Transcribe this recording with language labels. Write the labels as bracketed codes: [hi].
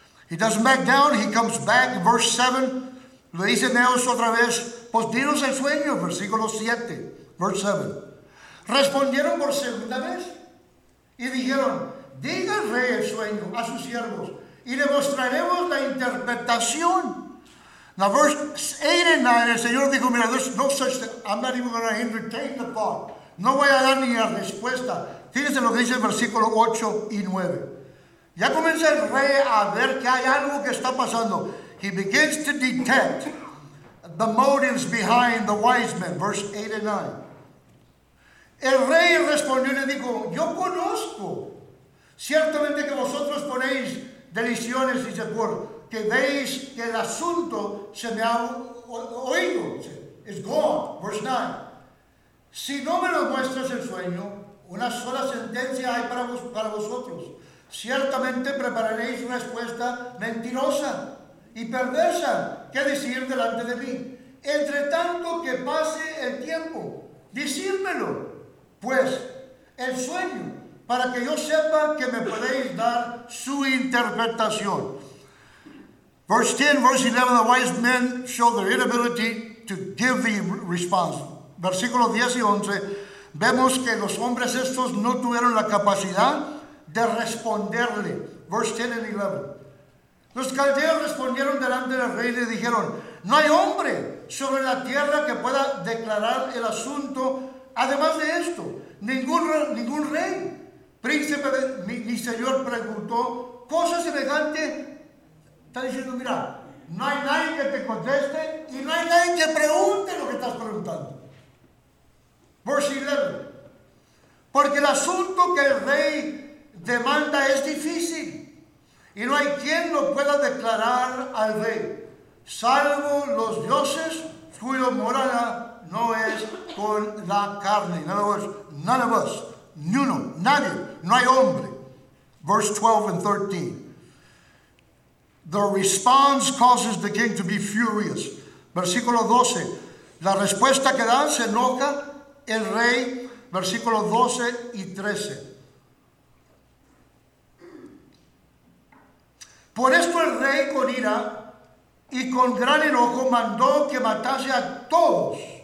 [en] He doesn't back down, he comes back. Verse 7. [es] Lo dicen ellos otra vez, pues dinos el sueño, versículo 7, verse 7. Respondieron por segunda vez y dijeron, Diga el rey el sueño a sus siervos y le mostraremos la interpretación. [en] Now verse 8 and 9, [es] el Señor dijo, mira, [en] there's no such thing. I'm not even going to entertain the thought. [es] No voy a dar ni la respuesta. Fíjense lo que dice el versículo 8 y 9. Ya comienza el rey a ver que hay algo que está pasando. [en] He begins to detect the motives behind the wise men. Verse 8 and 9. [es] El rey respondió y le dijo, yo conozco ciertamente que vosotros ponéis deliciones y seguro que veis que el asunto se me ha oído. [en] It's gone. Verse 9. [es] Si no me lo muestras el sueño, una sola sentencia hay para vosotros. Ciertamente prepararéis una respuesta mentirosa y perversa que decir delante de mí. Entre tanto que pase el tiempo, decírmelo, pues, el sueño, para que yo sepa que me podéis dar su interpretación. [en] Verse 10, verse 11, the wise men show their inability to give the response. [es] Versículos 10 y 11, vemos que los hombres estos no tuvieron la capacidad de responderle. [en] Verse 10 and 11. [es] Los caldeos respondieron delante del rey y le dijeron, no hay hombre sobre la tierra que pueda declarar el asunto. Además de esto, ningún rey, príncipe, ni señor preguntó cosa semejante. Está diciendo, mira, no hay nadie que te conteste y no hay nadie que pregunte lo que estás preguntando. [en] Verse 11. [es] Porque el asunto que el rey demanda es difícil y no hay quien lo pueda declarar al rey, salvo los dioses cuyo morada no es con la carne. [en] In other words, none of us, [es] ni uno, nadie, no hay hombre. [en] Verse 12 and 13. The response causes the king to be furious. [es] Versículo 12. La respuesta que dan se enoja el rey. Versículo 12 y 13. Por esto el rey con ira y con gran enojo mandó que matase a todos.